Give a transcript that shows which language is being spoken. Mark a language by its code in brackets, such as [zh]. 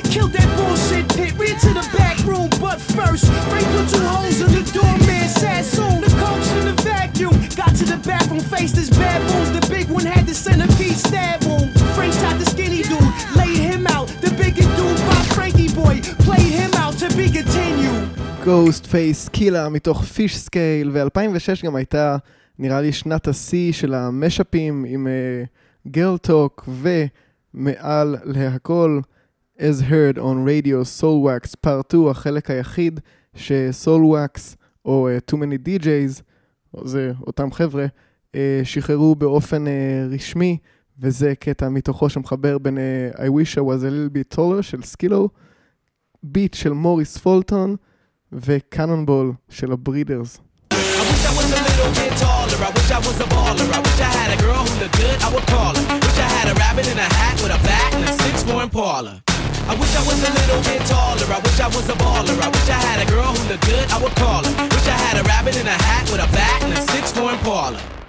[en] Killed that bullshit pit, ran to the back room. But first, Frank put two holes in the doorman. Sad soon, the coke's in the vacuum. Got to the bathroom, faced his bad wounds. The big one had the centipede stab wound. Frank shot the skinny dude, laid him out. The bigger dude popped Frankie boy, played him out to be continued. [he] Ghostface Killer מתוך Fish Scale, ו-2006 גם הייתה נראה לי שנת השיא של המשאפים עם Girl Talk, ומעל להכל As Heard on Radio Soul Wax Part 2, החלק היחיד שסול וואקס או Too Many DJs, זה אותם חבר'ה, שחררו באופן רשמי, וזה קטע מתוכו שמחבר בין I Wish I Was A Little Bit Taller של סקילו, ביט של מוריס פולטון וקאנונבול של הברידרס. [en] Taller. I wish I was a baller. I wish I had a girl who looked good, I would call her. Wish I had a rabbit in a hat with a bat and a six-four Impala. I wish I was a little bit taller. I wish I was a baller. I wish I had a girl who looked good, I would call her. Wish I had a rabbit in a hat with a bat and a six-four Impala.